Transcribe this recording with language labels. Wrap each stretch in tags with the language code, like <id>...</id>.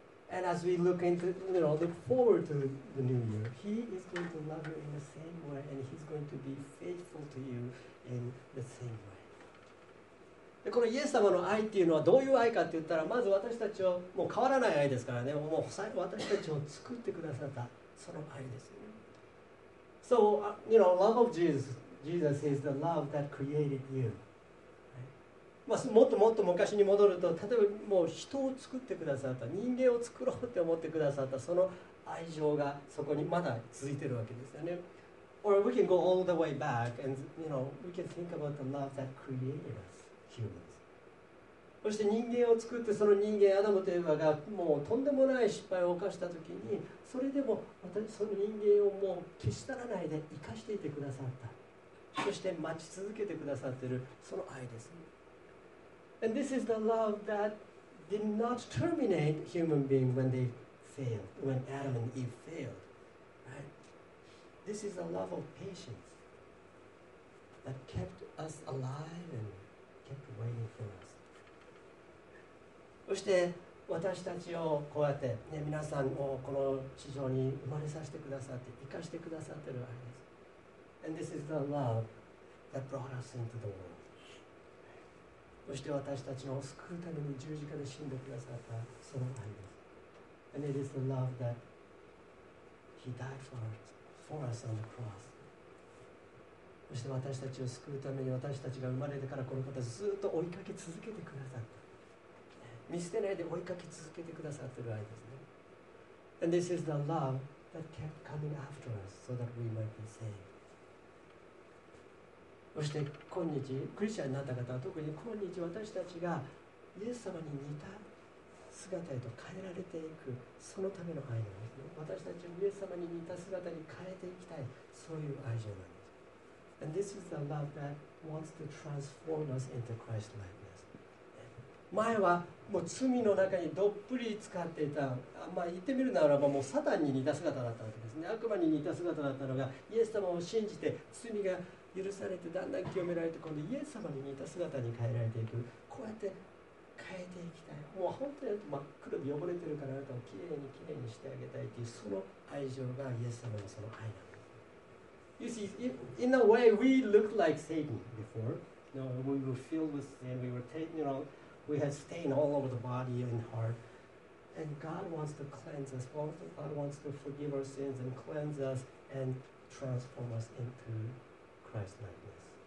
<en>And as we look into, you know, look forward to the new year, He is going to love you in the same way, and He's going to be faithful to you in the same way.</en> <ja>で、このイエス様の愛っていうのはどういう愛かって言ったら、まず私たちをもう変わらない愛ですからね。もう最後私たちを作ってくださったその愛ですよね。</ja> <en>So, you know, love of Jesus. Jesus is the love that created you.</en> <ja>まあ、もっともっと昔に戻ると、例えばもう人を作ってくださった、人間を作ろうって思ってくださった、その愛情がそこにまだ続いてるわけですよね。</ja> <en>Or we can go all the way back and, you know, we can think about the love that created us, humans.</en> <ja>そして人間を作って、その人間、アダムとエヴァがもうとんでもない失敗を犯したときに、それでも私その人間をもう消したらないで生かしていてくださった。そして待ち続けてくださってる、その愛ですね。</ja> <en>And this is the love that did not terminate human being when they failed, when Adam and Eve failed, right? This is the love of patience that kept us alive and kept waiting for us.</en> <ja>そして私たちをこうやって、ね、皆さんをこの地上に生まれさせてくださって、生かしてくださってるわけです。</ja> <en>And this is the love that brought us into the world.</en> <ja>そして私たちを救うために十字架で死んでくださったその愛です。</ja> <en>And it is the love that He died for us on the cross.</en> <ja>そして私たちを救うために私たちが生まれてからこの方ずっと追いかけ続けてくださった。見捨てないで追いかけ続けてくださっている愛ですね。</ja> <en>And this is the love that kept coming after us so that we might be saved。</en> <ja>そして今日クリスチャンになった方は特に今日私たちがイエス様に似た姿へと変えられていく、そのための愛なんですね。私たちをイエス様に似た姿に変えていきたい、そういう愛情なんです。</ja> <en>And this is the love that wants to transform us into Christ likeness。</en> <ja>前はもう罪の中にどっぷり浸かっていた、まあ、言ってみるならばもうサタンに似た姿だったわけですね。悪魔に似た姿だったのがイエス様を信じて罪が許されてだんだん清められて、今度イエス様に似た姿に変えられていく。こうやって変えていきたい、もう本当に真っ黒で汚れてるからあなたをきれいにきれいにしてあげたいという、その愛情がイエス様のその愛なんです。</ja> <en>You see, in a way we looked like Satan before. No, we were filled with sin, we were taken, you knowWe had stain all over the body and heart. And God wants to cleanse us. Both God wants to forgive our sins and cleanse us and transform us into Christ's likeness.</en>